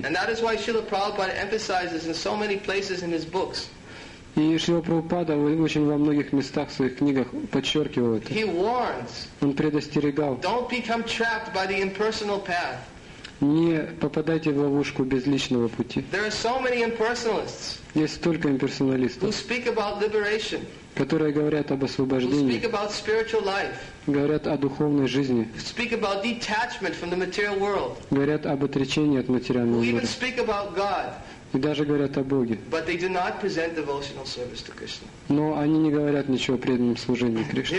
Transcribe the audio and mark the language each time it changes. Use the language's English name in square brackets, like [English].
[Russian] И это почему Шрила Прабхупада эмфасизирует в таких местах в своих книгах. И Шрила Прабхупада очень во многих местах в своих книгах подчеркивал это. [English] He warns, [Russian] он предостерегал. [English] Don't become trapped by the impersonal path. [Russian] Не попадайте в ловушку безличного пути. [English] There are so many impersonalists, [Russian] есть столько имперсоналистов, [English] who speak about liberation, [Russian] которые говорят об освобождении, [English] who speak about spiritual life, [Russian] говорят о духовной жизни, [English] who speak about detachment from the material world, [Russian] говорят об отречении от материального мира, [English] who even speak about God, [Russian] и даже говорят о Боге. [English] But they do not present devotional service to Krishna. [Russian] Но они не говорят ничего о преданном служении Кришне.